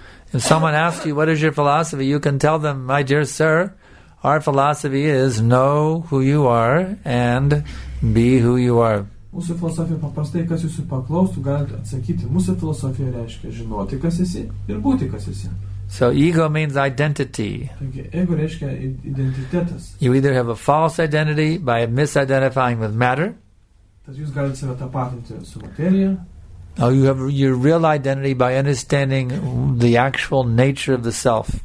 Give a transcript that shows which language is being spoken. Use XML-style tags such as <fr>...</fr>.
<en>If someone asks you, what is your philosophy? You can tell them, my dear sir, our philosophy is know who you are and be who you are.</en> <lt>Mūsų filosofija paprastai, kas jūsų paklaustų, galite atsakyti. Mūsų filosofija reiškia žinoti, kas esi ir būti, kas esi.</lt> <en>So ego means identity.</en> <lt>Ego reiškia identitetas.</lt> <en>You either have a false identity by misidentifying with matter.</en> <lt>Tad jūs galite save tapatinti su materija.</lt> <en>Or you have your real identity by understanding the actual nature of the self.</en>